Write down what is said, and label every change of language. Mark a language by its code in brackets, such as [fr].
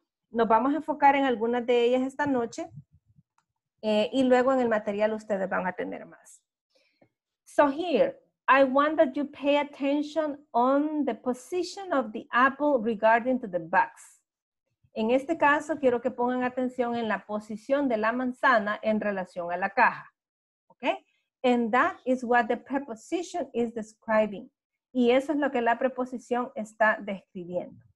[es] Nos vamos a enfocar en algunas de ellas esta noche y luego en el material ustedes van a tener más. [en] So here, I want that you pay attention on the position of the apple regarding to the box. [es] En este caso, quiero que pongan atención en la posición de la manzana en relación a la caja. [en] Okay? And that is what the preposition is describing. [es] Y eso es lo que la preposición está describiendo.